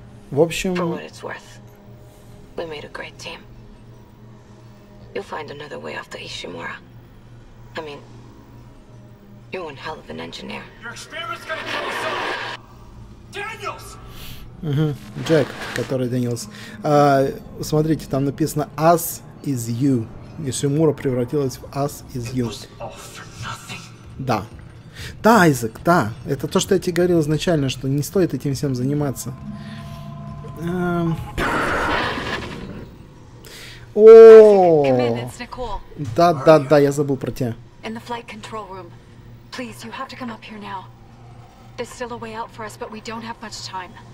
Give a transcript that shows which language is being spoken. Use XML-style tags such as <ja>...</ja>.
<ru>В общем...</ru> <en>For what it's worth. We made a great team. You'll find another way off the Ishimura. I mean, you're one hell of an engineer. Your experiment's gonna kill us all! Daniels!</en> <ru>Джек, который Daniels. Смотрите, там написано</ru> <en>Us is you.</en> <ru>Ishimura превратилась в</ru> <en>Us is you. It was all for nothing.</en> <ru>Да. Да, Айзек, да. Это то, что я тебе говорил изначально, что не стоит этим всем заниматься. О, да, да, да, я забыл про тебя.</ru> <en>In the flight control room. Please, you have to come up here now. There's still a way out for us, but we don't have much time.</en>